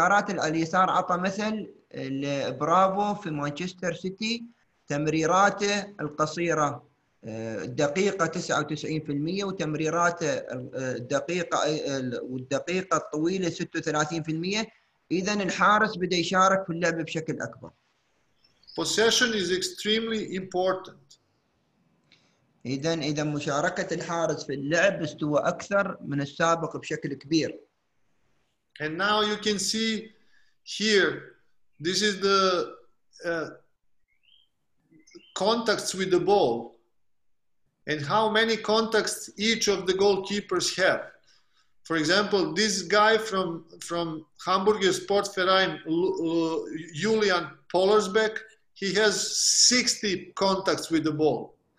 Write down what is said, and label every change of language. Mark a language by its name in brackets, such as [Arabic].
[Arabic] اللي على اليسار عطى مثل البرافو في مانشستر سيتي تمريراته القصيرة الدقيقة 99% وتمريرات الدقيقة والدقيقة الطويلة 36% إذا الحارس بدأ يشارك في اللعب بشكل أكبر. [English] Possession is extremely important. [Arabic] إذا مشاركة الحارس في اللعب استوى أكثر من السابق بشكل كبير. [English] And now you can see here, this is the contacts with the ball. And how many contacts each of the goalkeepers have. For example, this guy from Hamburger Sportverein, Julian Polarsbeck, he has 60 contacts with the ball.